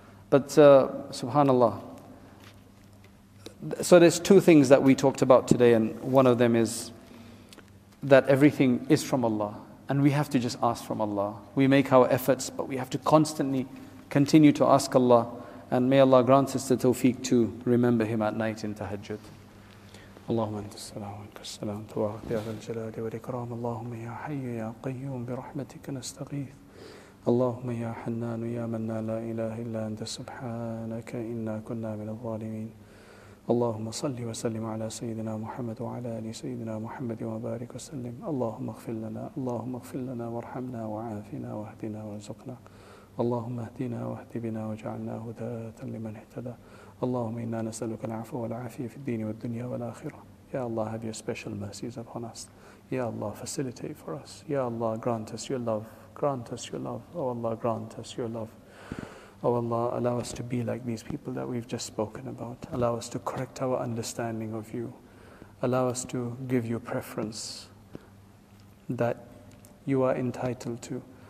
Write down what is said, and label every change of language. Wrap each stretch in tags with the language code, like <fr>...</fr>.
<en>But subhanallah. So there's two things that we talked about today, and one of them is that everything is from Allah, and we have to just ask from Allah. We make our efforts, but we have to constantly continue to ask Allah, and may Allah grant us the tawfiq to remember Him at night in tahajjud.</en> <ar>اللهم انت السلام عنك السلام تبارك يا ذا الجلال والاكرام اللهم يا حي يا قيوم برحمتك نستغيث اللهم يا حنان يا منان لا اله الا انت سبحانك انا كنا من الظالمين اللهم صل وسلم على سيدنا محمد وعلى ال سيدنا محمد وبارك وسلم اللهم اغفر لنا اللهم اغفر لنا وارحمنا وعافنا واهدنا وارزقنا اللهم اهدنا واهد بنا واجعلنا هداة لمن اهتدى اللهم إنا نسألك العفو والعافية في الدين والدنيا والآخرة. يا الله,</ar> <en>have your special mercies upon us.</en> <ar>يا الله,</ar> <en>facilitate for us. يا الله, grant us your love. Grant us your love. Oh Allah, grant us your love. Oh Allah, allow us to be like these people that we've just spoken about. Allow us to correct our understanding of you. Allow us to give you preference that you are entitled to.</en>